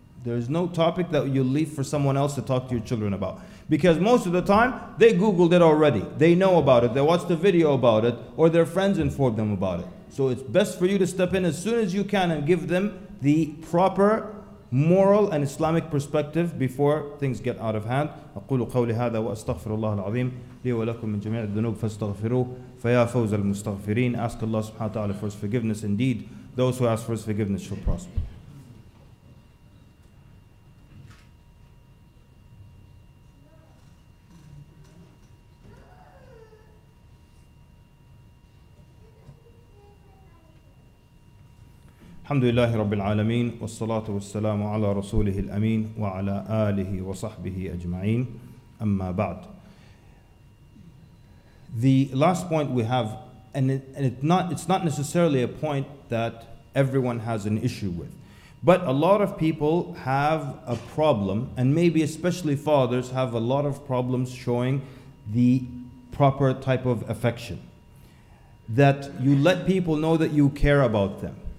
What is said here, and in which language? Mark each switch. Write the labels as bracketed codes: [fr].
[en] There's no topic that you leave for someone else to talk to your children about. Because most of the time, they Googled it already. They know about it. They watched the video about it. Or their friends informed them about it. So it's best for you to step in as soon as you can and give them the proper moral and Islamic perspective before things get out of hand. [ar] أقول قولي هذا وأستغفر الله العظيم لي ولكم من جميع الذنوب فاستغفروه فيا فوز المستغفرين. [en] Ask Allah subhanahu wa ta'ala for his forgiveness. Indeed, those who ask for his forgiveness shall prosper. [ar] الحمد لله رب العالمين والصلاة والسلام على رسوله الأمين وعلى آله وصحبه أجمعين أما بعد. [en] The last point we have, and it's not necessarily a point that everyone has an issue with, but a lot of people have a problem, and maybe especially fathers have a lot of problems showing the proper type of affection, that you let people know that you care about them.